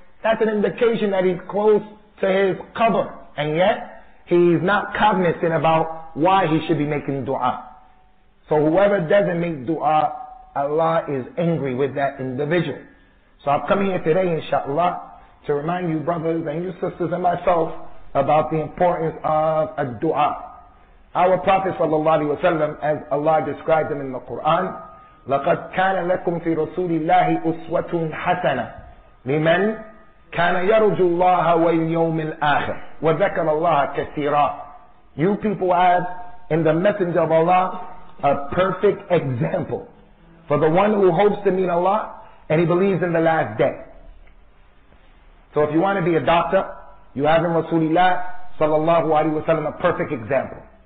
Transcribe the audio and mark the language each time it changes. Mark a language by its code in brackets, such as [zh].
[en] That's an indication that he's close to his qabr. And yet, he's not cognizant about why he should be making dua. So whoever doesn't make dua, Allah is angry with that individual. So I've come here today, inshallah, to remind you brothers and you sisters and myself about the importance of a dua. Our Prophet sallallahu alayhi wa sallam, as Allah described him in the Quran, [ar] لَقَدْ كَانَ لَكُمْ فِي رَسُولِ اللَّهِ أُسْوَةٌ حَسَنَةٌ لِمَنْ كَانَ يَرُجُ اللَّهَ وَالْيَوْمِ الْآخِرِ وَذَكَرَ اللَّهَ كَثِيرًا. [en] You people have in the Messenger of Allah a perfect example for the one who hopes to meet Allah and he believes in the last day. So if you want to be a doctor, you have in Rasulullah sallallahu alayhi wa sallam a perfect example.